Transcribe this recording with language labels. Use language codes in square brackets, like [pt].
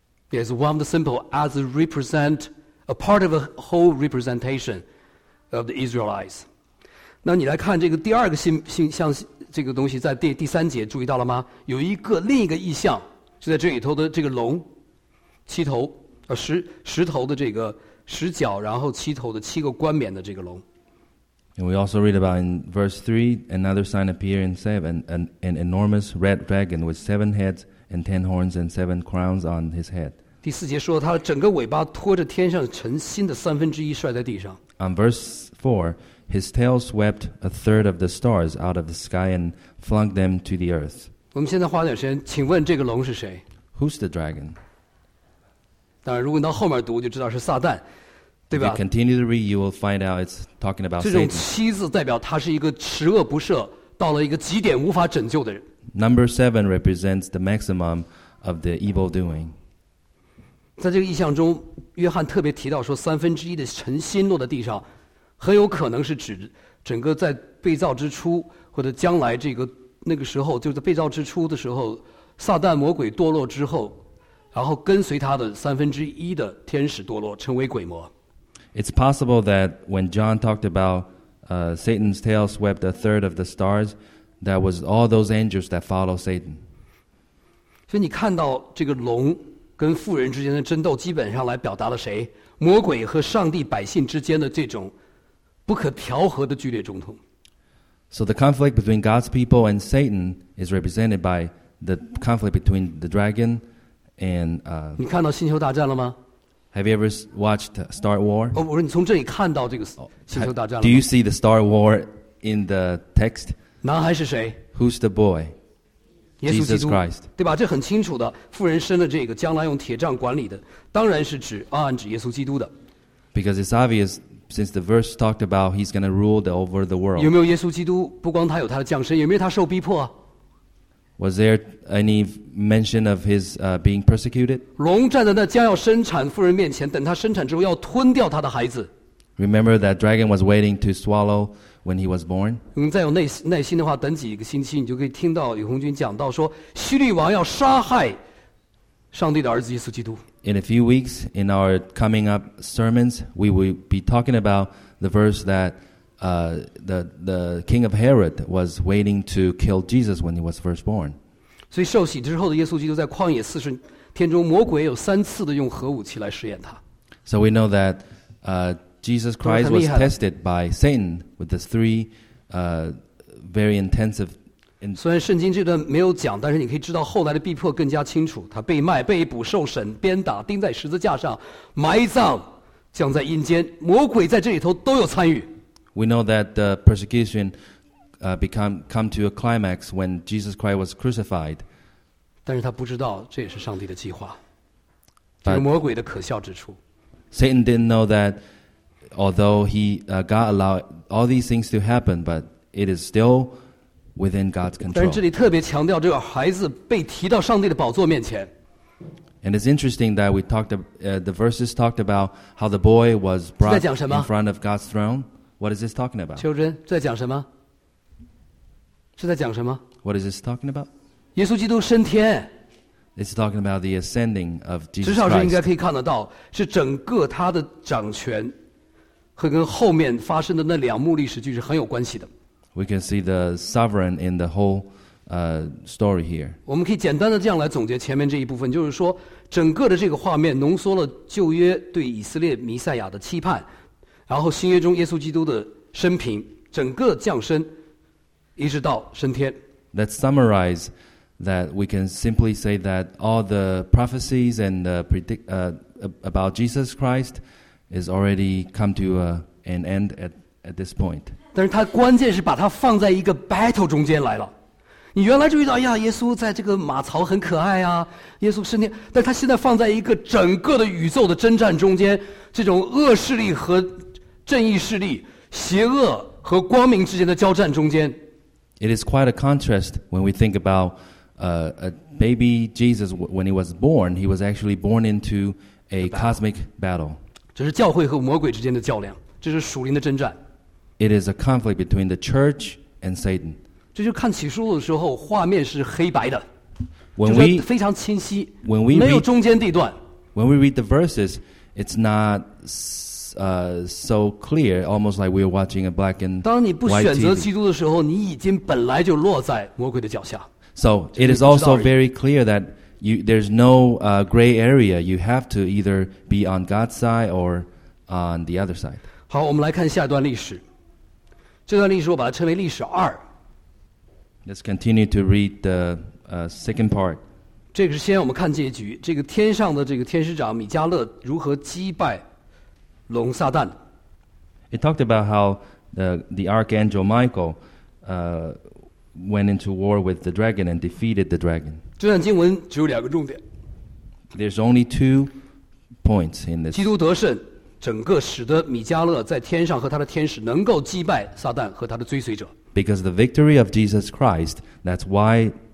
[en] Yes, one of the symbol as a represent a part of a whole representation of the Israelites. [zh] 那你来看这个第二个像这个东西，在第三节注意到了吗？有一个另一个意象就在这里头的这个龙，七头十头的这个十角，然后七头的七个冠冕的这个龙。 [en] And we also read about in verse 3, another sign appeared in seven, an enormous red dragon with seven heads and ten horns and seven crowns on his head. [zh] 第四节说他整个尾巴拖着天上晨星的三分之一摔在地上。 [en] On verse 4, his tail swept a third of the stars out of the sky and flung them to the earth. [zh] 我们现在花点时间，请问这个龙是谁？ [en] Who's the dragon? [zh] 当然，如果你到后面读，就知道是撒旦。对吧 [en] If you continue to read, you will find out it's talking about Satan. [zh] 这种七字代表他是一个十恶不赦，到了一个极点无法拯救的人。 [en] Number seven represents the maximum of the evil doing. [zh] 在这个意象中，约翰特别提到说，三分之一的尘心落在地上，很有可能是指整个在被造之初或者将来这个那个时候，就是被造之初的时候，撒旦魔鬼堕落之后，然后跟随他的三分之一的天使堕落，成为鬼魔。 [en] It's possible that when John talked about Satan's tail swept a third of the stars, that was all those angels that follow Satan. [zh] 所以你看到这个龙跟妇人之间的争斗，基本上来表达了谁？魔鬼和上帝百姓之间的这种不可调和的剧烈冲突。 [en] So the conflict between God's people and Satan is represented by the conflict between the dragon and. [zh] 你看到星球大战了吗？ [en] Have you ever watched Star Wars? [zh] Oh, 我说你从这里看到这个星球大战了。 [en] Do you see the Star Wars in the text? [zh] 男孩是谁？ [en] Who's the boy? [zh] 耶稣基督， [en] Jesus Christ. [zh] 对吧？这很清楚的。妇人生的这个将来用铁杖管理的，当然是指暗指耶稣基督的。 [en] Because it's obvious, since the verse talked about he's going to rule over the world. [zh] 有没有耶稣基督？不光他有他的降生，有没有他受逼迫？ [en] Was there any mention of his being persecuted? [zh] 龙站在那将要生产妇人面前，等他生产之后要吞掉他的孩子。 [en] Remember that dragon was waiting to swallow when he was born. [zh] 你再有耐心的话，等几个星期，你就可以听到宇红军讲到说，叙利王要杀害上帝的儿子耶稣基督。 [en] In a few weeks, in our coming up sermons, we will be talking about the verse that. The king of Herod was waiting to kill Jesus when he was first born. [zh] 所以受洗之后的耶稣基督在旷野四十天中，魔鬼有三次的用核武器来试验他。 [en] So we know that Jesus Christ was tested by Satan with the three very intensive. [zh] 虽然圣经这段没有讲，但是你可以知道后来的逼迫更加清楚。他被卖、被捕、受审、鞭打、钉在十字架上、埋葬、降在阴间，魔鬼在这里头都有参与。 [en] We know that the persecution come to a climax when Jesus Christ was crucified. [zh] 但是他不知道这也是上帝的计划，这是魔鬼的可笑之处。 [en] Satan didn't know that although he God allowed all these things to happen, but it is still within God's control. [zh] 但是这里特别强调这个孩子被提到上帝的宝座面前。 [en] And it's interesting that the verses talked about how the boy was brought in front of God's throne. What is this talking about? [zh] Children, 在讲什么？是在讲什么？ [en] What is this talking about? [zh] 耶稣基督升天。 [en] It's talking about the ascending of Jesus Christ. [zh] 至少是应该可以看得到，是整个他的掌权和跟后面发生的那两幕历史剧是很有关系的。 [en] We can see the sovereign in the whole story here. [zh] 我们可以简单的这样来总结前面这一部分，就是说，整个的这个画面浓缩了旧约对以色列弥赛亚的期盼。然后新约中耶稣基督的生平，整个降生，一直到升天。 [en] Let's summarize that we can simply say that all the prophecies and the predict about Jesus Christ is already come to an end at this point. [zh] 但是它关键是把它放在一个 battle 中间来了。你原来注意到，哎呀，耶稣在这个马槽很可爱啊，耶稣升天，但他现在放在一个整个的宇宙的征战中间，这种恶势力和正义势力、邪恶和光明之间的交战中间。 [en] It is quite a contrast when we think about a baby Jesus when he was born. He was actually born into a cosmic battle. [zh] 这是教会和魔鬼之间的较量，这是属灵的征战。 [en] It is a conflict between the church and Satan. [zh] 这就看启示录的时候，画面是黑白的， [en] when [zh] 就是非常清晰， [en] when we [zh] 没有中间地段。 [en] When we read the verses, it's not. So clear, almost like we're watching a black and white. [zh] 当你不选择基督的时候，你已经本来就落在魔鬼的脚下。 [en] So it is also very clear that you there's no gray area. You have to either be on God's side or on the other side. [zh] 好，我们来看下一段历史。这段历史我把它称为历史二。 [en] Let's continue to read the second part. [zh] 这个是先我们看结局，这个天上的这个天使长米迦勒如何击败。龙撒旦。 [en] It talked about how the archangel Michael went into war with the dragon and defeated the dragon. [zh] 这段经文只有两个重点。 [en] There's only two points in this. [zh] 基督得胜，整个使得米迦勒在天上和他的天使能够击败撒旦和他的追随者。 [en] Because the victory of Jesus Christ, that's why